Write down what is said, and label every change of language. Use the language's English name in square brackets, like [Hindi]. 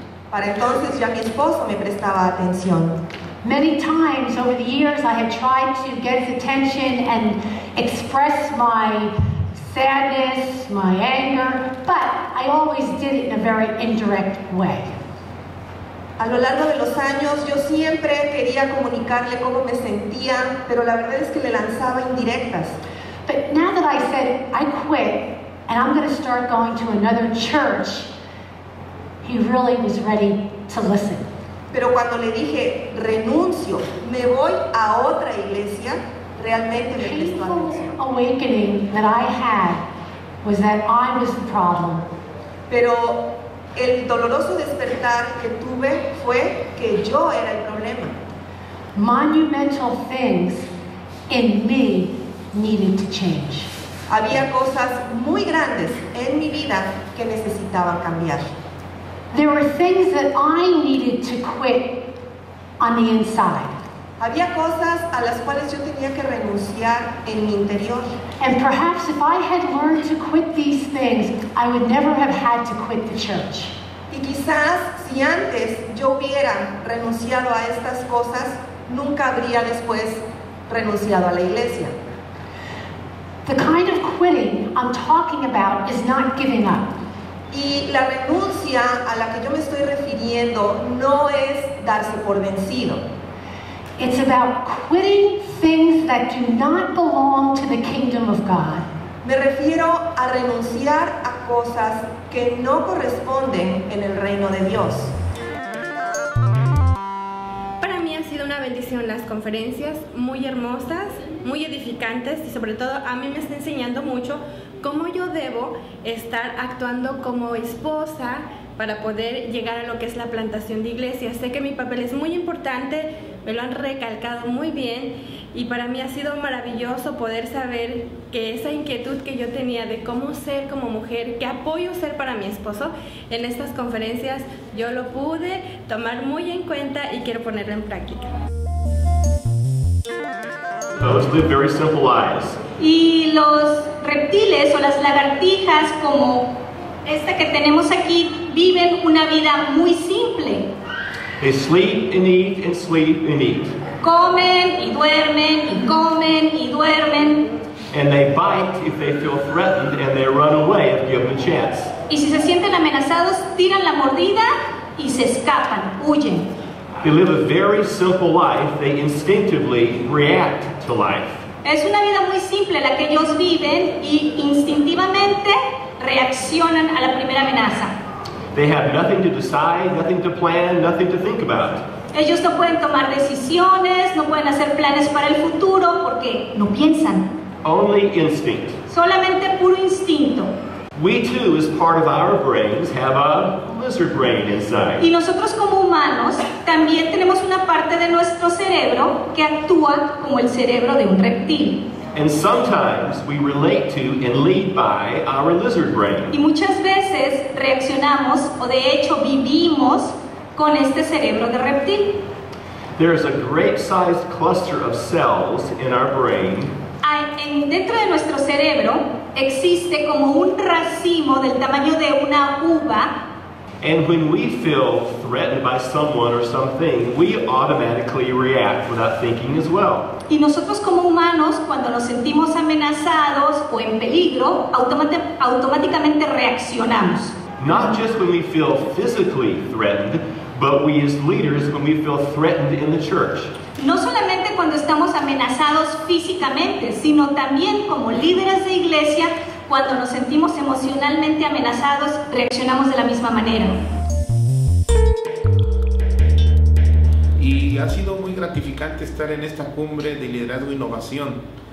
[Spanish] Para entonces ya mi esposo me prestaba atención. [English] Many times over the years I have tried to get his attention and express my sadness, my anger, but I always did it in a very indirect way. [Spanish] A lo largo de los años yo siempre quería comunicarle cómo me sentía, pero la verdad es que le lanzaba indirectas. [English] But now that I said I quit and I'm going to start going to another church, he really was ready to listen. [Spanish] Pero cuando le dije renuncio, me voy a otra iglesia, realmente me prestó atención. [English] Awakening that I had was that I was the problem. [Spanish] Pero el doloroso despertar que tuve fue que yo era el problema. [English] Monumental things in me needed to change. [Spanish] Había cosas muy grandes en mi vida que necesitaba cambiar. [English] There were things that I needed to quit on the inside. [Spanish] Había cosas a las cuales yo tenía que renunciar en mi interior. [English] And perhaps if I had learned to quit these things, I would never have had to quit the church. [Spanish] Y quizás si antes yo hubiera renunciado a estas cosas, nunca habría después renunciado a la iglesia. [English] The kind of quitting I'm talking about is not giving up. [Spanish] Y la renuncia a la que yo me estoy refiriendo no es darse por vencido. [English] It's about quitting things that do not belong to the kingdom of God. [Spanish] Me refiero a renunciar a cosas que no corresponden en el reino de Dios. Para mí han sido una bendición las conferencias, muy hermosas, muy edificantes, y sobre todo a mí me está enseñando mucho cómo yo debo estar actuando como esposa para poder llegar a lo que es la plantación de iglesia. Sé que mi papel es muy importante, me lo han recalcado muy bien, y para mí ha sido maravilloso poder saber que esa inquietud que yo tenía de cómo ser como mujer, qué apoyo ser para mi esposo, en estas conferencias yo lo pude tomar muy en cuenta y quiero ponerlo en práctica. [English] Those live very simple lives. [Spanish] Y los reptiles o las lagartijas como esta que tenemos aquí viven una vida muy simple. [English] They sleep and eat and sleep and eat. [Spanish] Comen y duermen y comen y duermen. [English] And they bite if they feel threatened and they run away if given a chance. [Spanish] Y si se sienten amenazados, tiran la mordida y se escapan, huyen. [English] They live a very simple life. They instinctively react to life. [Spanish] Es una vida muy simple la que ellos viven y instintivamente reaccionan a la primera amenaza. [English] They have nothing to decide, nothing to plan, nothing to think about. [Spanish] Ellos no pueden tomar decisiones, no pueden hacer planes para el futuro porque no piensan. [English] Only instinct. [Spanish] Solamente puro instinto. [English] We too, as part of our brains, have a lizard brain inside. [Spanish] Y nosotros como humanos también tenemos una parte de nuestro cerebro que actúa como el cerebro de un reptil. [English] And sometimes we relate to and lead by our lizard brain. [Spanish] Y muchas veces reaccionamos o de hecho vivimos con este cerebro de reptil. [English] There is a great-sized cluster of cells in our brain. [Spanish] Dentro de nuestro cerebro existe como un racimo del tamaño de una uva. [English] And when we feel threatened by someone or something, we automatically react without thinking as well. [Spanish] Y nosotros como humanos, cuando nos sentimos amenazados o en peligro, automáticamente reaccionamos. [English] Not just when we feel physically threatened, but we as leaders when we feel threatened in the church. [Spanish] No solamente cuando estamos amenazados físicamente, sino también como líderes de iglesia, cuando nos sentimos emocionalmente amenazados, reaccionamos de la misma manera. Y ha sido muy gratificante estar en esta cumbre de liderazgo e innovación.